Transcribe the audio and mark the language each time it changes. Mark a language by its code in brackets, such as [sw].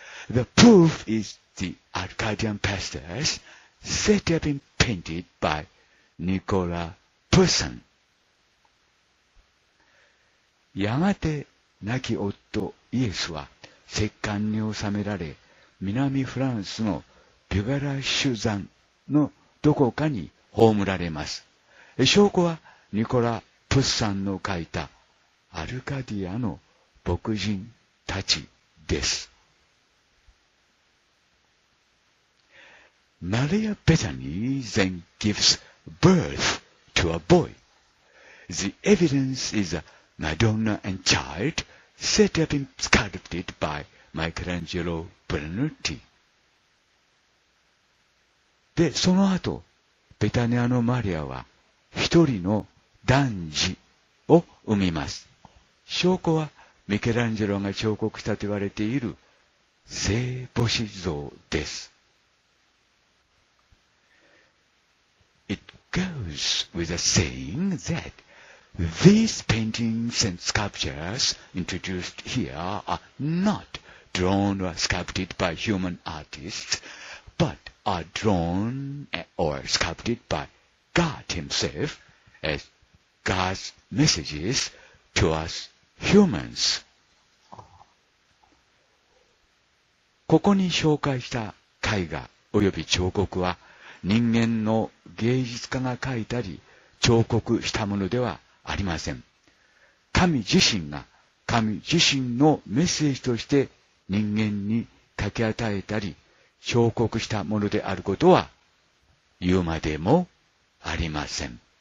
[en] The proof is the Arcadian pastures said to have been painted by Nicolas Poussin. [ja] やがて亡き夫イエスは石棺に納められ、南フランスのビュガラッシュ山のどこかに葬られます。証拠はニコラ・プッサンの書いたアルカディアの牧人たちです。 [en] マリア・ベタニー then gives birth to a boy. The evidence is a Madonna and Child set up and sculpted by Michelangelo Brunetti. [ja] で、その後、ベタニアのマリアは一人の男児を産みます。証拠はミケランジェロが彫刻したと言われている聖母子像です。 [en] It goes without saying that these paintings and sculptures introduced here are not drawn or sculpted by human artists but are drawn or sculpted by God himself as God's messages to us humans。 [ja] ここに紹介した絵画および彫刻は人間の芸術家が描いたり彫刻したものではありません。神自身が神自身のメッセージとして人間に書き与えたり彫刻したものであることは言うまでもありません。